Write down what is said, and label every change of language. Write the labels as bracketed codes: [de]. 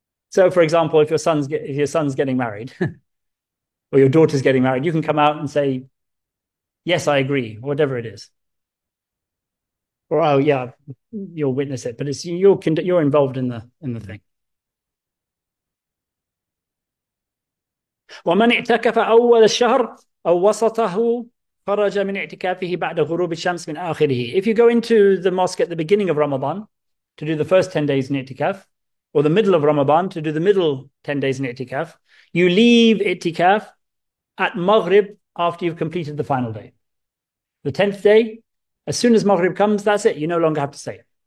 [en] So, for example, if your son's getting married, or your daughter's getting married, you can come out and say, "Yes, I agree," whatever it is. Or, oh yeah, you'll witness it, but it's you're involved in the thing. [ar] ومن اعتكف أول الشهر أو وسطه خرج من اعتكافه بعد غروب الشمس من آخره. [en] If you go into the mosque at the beginning of Ramadan to do the first 10 days in i'tikaf, or the middle of Ramadan to do the middle 10 days in i'tikaf, you leave i'tikaf at Maghrib after you've completed the final day. The 10th day, as soon as Maghrib comes, that's it. You no longer have to say it.